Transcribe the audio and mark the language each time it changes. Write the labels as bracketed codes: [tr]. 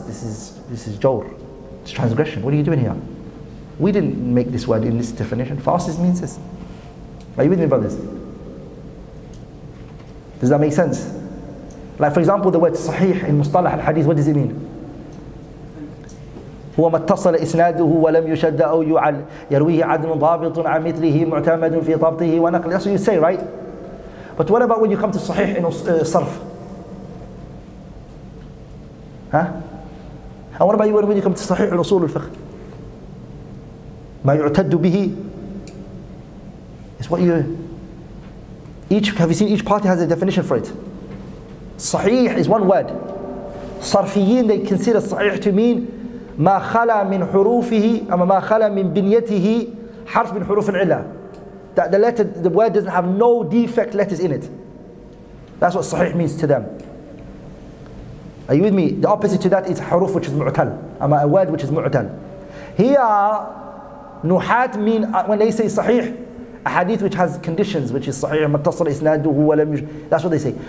[en] This is jawr. It's transgression. What are you doing here? We didn't make this word in this definition. Fasis means this. Are you with me, brothers? Does that make sense? Like, for example, the word sahih in mustalah al-hadith, what does it mean? [ar] هو ما اتصل اسناده ولم يشد او يعل يرويه عدل ضابط عن مثله معتمد في ضبطه ونقله. [en] That's what you say, right? But what about when you come to sahih in sarf? Huh? And what about when you come to sahih in usul al-fiqh? [ar] ما يعتد به. [en] It's what you... Have you seen each party has a definition for it? Sahih is one word. Sarfiyin, they consider sahih to mean [ar] ما خلا من حروفه أما ما خلا من بنيته حرف من حروف العلة. [en] That the letter, the word doesn't have no defect letters in it. That's what sahih means to them. Are you with me? The opposite to that is [ar] حروف, [en] which is [ar] معتل. [en] أما a word which is معتل. Here, نحات mean, when they say sahih, a hadith which has conditions, which is sahih, [ar] متصل إسناده ولم يش. [en] That's what they say.